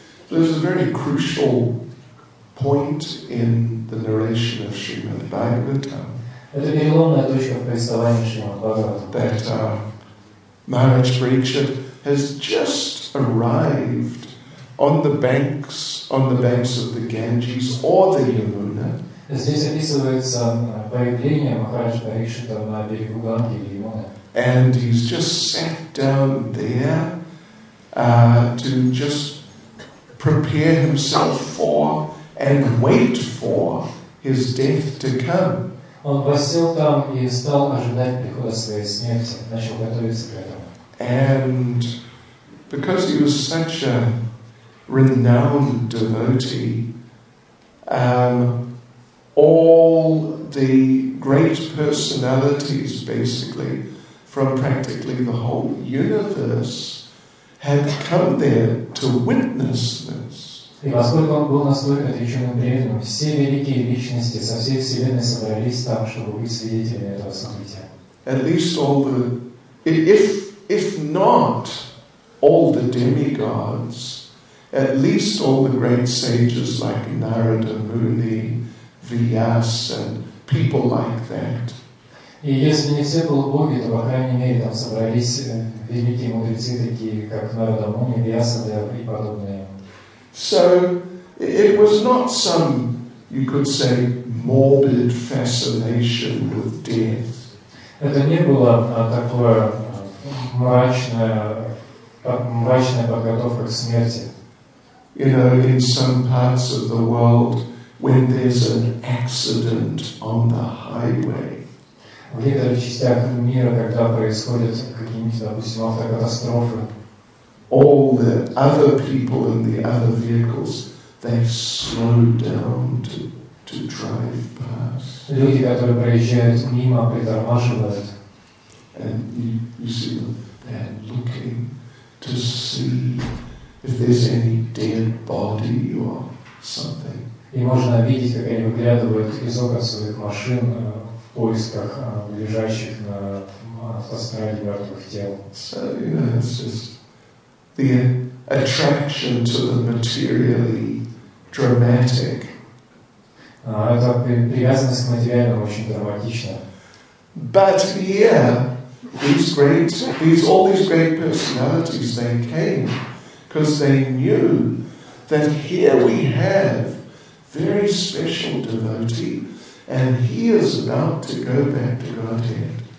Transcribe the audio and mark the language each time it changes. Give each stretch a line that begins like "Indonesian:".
English: There's a very crucial point in the narration of Srimad Bhagavatam that Maharaj Parikshit has just arrived on the banks of the Ganges or the Yamuna.
Russian: Здесь описывается появление Махараджа Парикшита на берегу Ганги или Ямуны.
English: And he's just sat down there to just prepare himself for and wait for his death to come.
Russian: Он воссел там и стал ожидать прихода своей смерти, начал готовиться к этому.
English: And because he was such a renowned devotee, all the great personalities, basically, from practically the whole universe, had come there to witness this.
Russian: И поскольку он был настолько отреченным преданным, все великие личности со всей вселенной собрались там, чтобы быть свидетелями этого события.
English: At least all the, if not all the demigods, at least all the great sages like Narada Muni, Vyas and people like that.
Russian: И если не все полубоги, то по крайней мере там собрались великие мудрецы такие, как Нарада Муни, Вьяса и подобные.
English: So it was not some, you could say, morbid fascination with death.
Russian: Это не было такое мрачная подготовка к смерти.
English: You know, in some parts of the world, when there's an accident on the highway.
Russian: В некоторых частях мира, когда происходят какие-нибудь, допустим, автокатастрофы,
English: all the other people in the other vehicles, they slow down to drive past.
Russian: Люди, которые проезжают мимо, притормаживают.
English: And you see them, they're looking to see if there's any dead body or something.
Russian: И можно видеть, как они выглядывают из окон своих машин в поисках лежащих на автостраде мертвых тел.
English: So, you know, it's just the attraction to the materially dramatic.
Russian: Это привязанность к материальному очень драматична.
English: But yeah, these great personalities, they came because they knew that here we have very special devotee, and he is about to go back to Godhead.